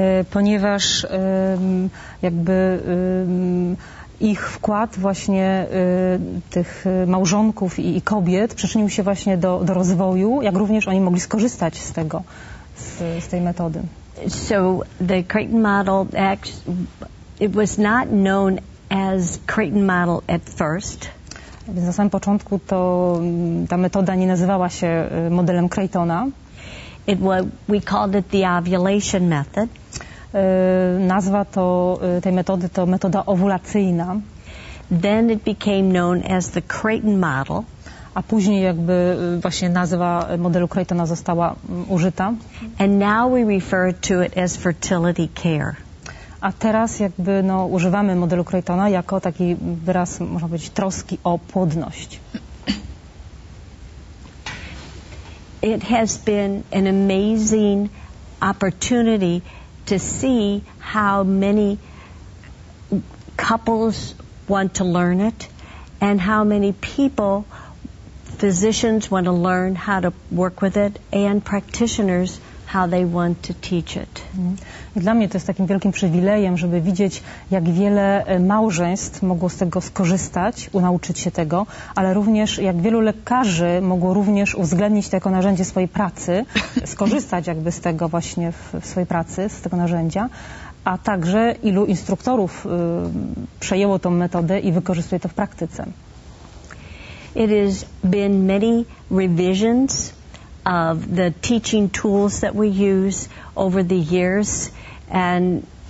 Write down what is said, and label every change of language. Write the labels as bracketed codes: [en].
[pl] Ponieważ jakby ich wkład właśnie tych małżonków i kobiet przyczynił się właśnie do rozwoju, jak również oni mogli skorzystać z tego, z tej metody. [en] So the Creighton model, it was not known as Creighton model at first. [pl] Więc na samym początku to ta metoda nie nazywała się modelem Creightona. [en] It was, we called it the ovulation method. [pl] Nazwa to tej metody to metoda owulacyjna. [en] Then it became known as the Creighton model. [pl] A później jakby właśnie nazwa modelu Creightona została użyta. [en] And now we refer to it as fertility care. [pl] A teraz jakby no używamy modelu Creightona jako taki wyraz, można powiedzieć, troski o płodność. [en] It has been an amazing opportunity to see how many couples want to learn it and how many people, physicians, want to learn how to work with it and practitioners, how they want to teach it. [pl] Dla mnie to jest takim wielkim przywilejem, żeby widzieć, jak wiele małżeństw mogło z tego skorzystać, nauczyć się tego, ale również jak wielu lekarzy mogło również uwzględnić to jako narzędzie swojej pracy, skorzystać jakby z tego właśnie w swojej pracy, z tego narzędzia, a także ilu instruktorów przejęło tą metodę i wykorzystuje to w praktyce. [en] It has been many revisions of the teaching tools that we use over the years, and